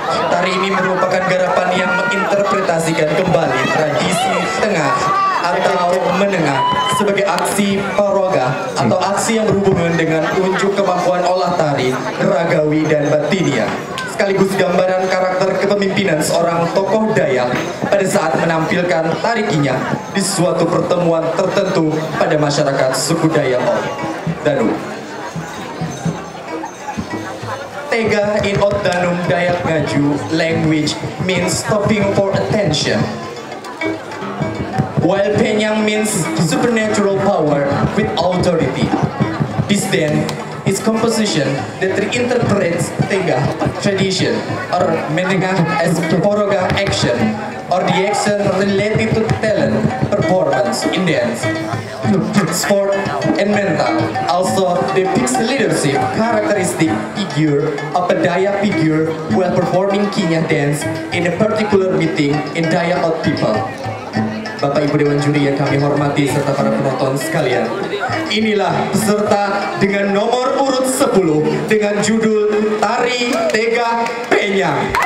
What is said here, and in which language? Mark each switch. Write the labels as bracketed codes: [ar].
[id] Tari ini merupakan garapan yang menginterpretasikan kembali tradisi tengah atau menengah sebagai aksi parogah atau aksi yang berhubungan dengan unjuk kemampuan olah tari, ragawi, dan batinia, sekaligus gambaran karakter kepemimpinan seorang tokoh Dayang pada saat menampilkan tari Kinyang di suatu pertemuan tertentu pada masyarakat suku Dayang Ot Danum. [en] Tega in Ot Danum Dayak Ngaju language means stopping for attention, while Penyang means supernatural power with authority. This then is composition that reinterprets Tega tradition or Menengah as Porogah action or the action related to talent, performance in dance, sport, and mental. Also depicts leadership characteristic figure of a Dayak figure while performing Kinyang dance in a particular meeting in Dayak Ot people. [id] Bapak Ibu Dewan Juri yang kami hormati serta para penonton sekalian, inilah peserta dengan nomor urut 10 dengan judul Tari Tega Penyang.